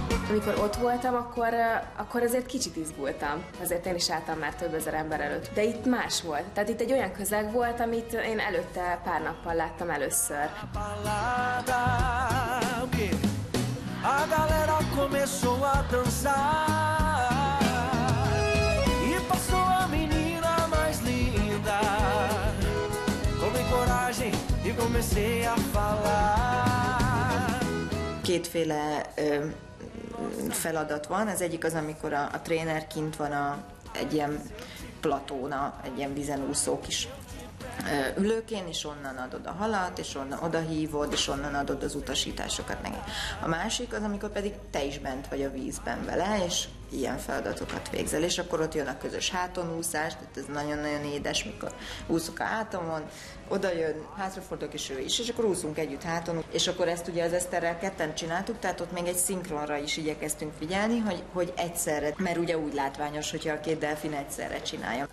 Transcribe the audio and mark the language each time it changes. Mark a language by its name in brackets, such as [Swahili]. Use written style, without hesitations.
[Hungarian] Amikor ott voltam, akkor azért kicsit izgultam. Azért én is álltam már több ezer ember előtt. De itt más volt. Tehát itt egy olyan közeg volt, amit én előtte pár nappal láttam először. [Portuguese] A galera começou a dançar e passou a menina mais linda. Tomei coragem e comecei a falar. [Hungarian] Kétféle feladat van. Az egyik az, amikor a tréner kint van egy ilyen platóna, egy ilyen vízen úszó kis ülőkén, és onnan adod a halat, és onnan oda hívod, és onnan adod az utasításokat neki. A másik az, amikor pedig te is bent vagy a vízben vele, és ilyen feladatokat végzel, és akkor ott jön a közös hátonúszás, tehát ez nagyon-nagyon édes, mikor úszok a hátamon, oda jön, hátrafordulok, és ő is, és akkor úszunk együtt háton, és akkor ezt ugye az Eszterrel ketten csináltuk, tehát ott még egy szinkronra is igyekeztünk figyelni, hogy egyszerre, mert ugye úgy látványos, hogyha a két delfin egyszerre csinálja.